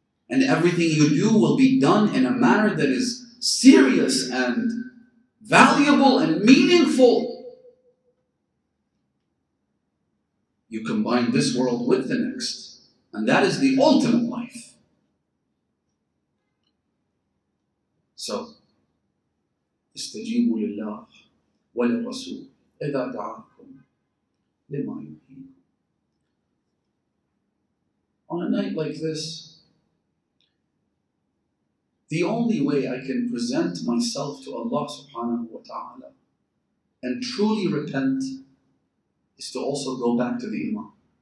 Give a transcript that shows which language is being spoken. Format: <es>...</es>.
<en>And everything you do will be done in a manner that is serious and valuable and meaningful. You combine this world with the next, and that is the ultimate life. So,</en> <ar>استجيبوا لله وللرسول إذا دعاكم لما يحييكم.</ar> <en>On a night like this, the only way I can present myself to Allah subhanahu wa ta'ala and truly repent is to also go back to the Imam.</en>